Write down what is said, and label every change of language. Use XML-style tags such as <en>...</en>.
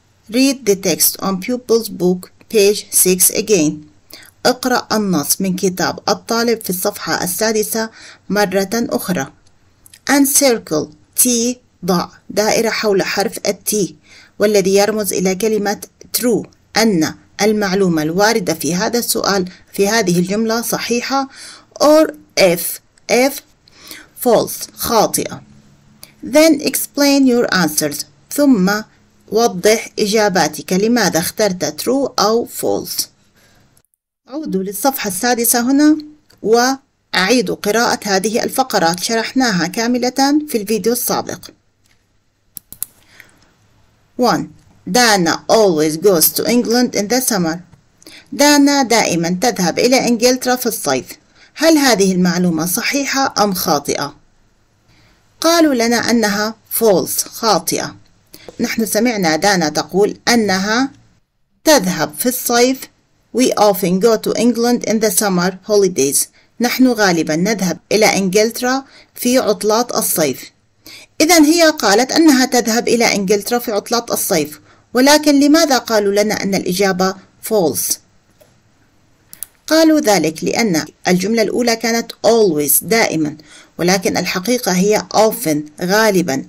<en>Read the text on pupil's book page 6 again.</en> <ar>اقرأ النص من كتاب الطالب في الصفحة السادسة مرة أخرى.</ar> <en>And circle T،</en> <ar>ضع دائرة حول حرف T والذي يرمز إلى كلمة true، أن المعلومة الواردة في هذا السؤال في هذه الجملة صحيحة،</ar> <en>or if false،</en> <ar>خاطئة.</ar> <en>Then explain your answers،</en> <ar>ثم وضح إجاباتك لماذا اخترت true أو false. عودوا للصفحة السادسة هنا وأعيدوا قراءة هذه الفقرات، شرحناها كاملة في الفيديو السابق. 1.</ar> <en>Dana always goes to England in the summer.</en> <ar>دانا دائما تذهب إلى إنجلترا في الصيف. هل هذه المعلومة صحيحة أم خاطئة؟ قالوا لنا أنها false، خاطئة. نحن سمعنا دانا تقول أنها تذهب في الصيف.</ar> <en>We often go to England in the summer holidays.</en> <ar>نحن غالبا نذهب إلى إنجلترا في عطلات الصيف. إذا هي قالت أنها تذهب إلى إنجلترا في عطلات الصيف، ولكن لماذا قالوا لنا أن الإجابة false؟ قالوا ذلك لأن الجملة الأولى كانت always، دائما، ولكن الحقيقة هي often، غالبا.</ar>